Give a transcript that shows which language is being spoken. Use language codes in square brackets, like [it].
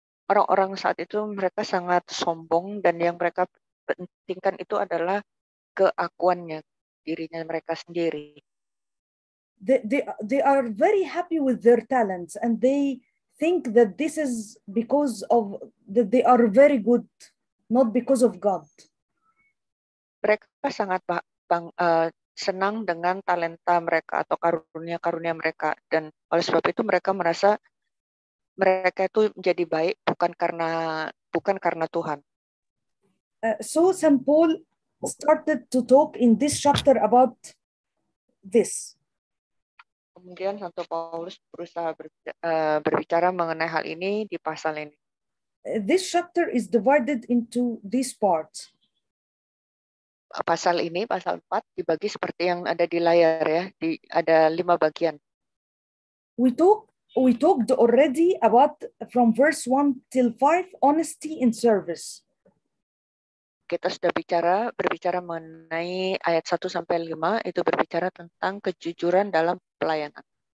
[id] Orang-orang saat itu mereka sangat sombong dan yang mereka pentingkan itu adalah keakuannya dirinya mereka sendiri. [en] They are very happy with their talents and they think that this is because of that they are very good, not because of God. [id] Mereka sangat senang dengan talenta mereka atau karunia-karunia mereka dan oleh sebab itu mereka merasa mereka itu menjadi baik bukan karena Tuhan. [en] So Saint Paul started to talk in this chapter about this. [id] Kemudian Santo Paulus berusaha berbicara mengenai hal ini di pasal ini. [en] This chapter is divided into these parts. [id] Pasal ini, pasal 4, dibagi seperti yang ada di layar ya, ada 5 bagian. [en] We talked already about from verse 1 till 5, honesty in service. [id] Kita sudah berbicara mengenai ayat 1 sampai 5, itu berbicara tentang kejujuran dalam pelayanan.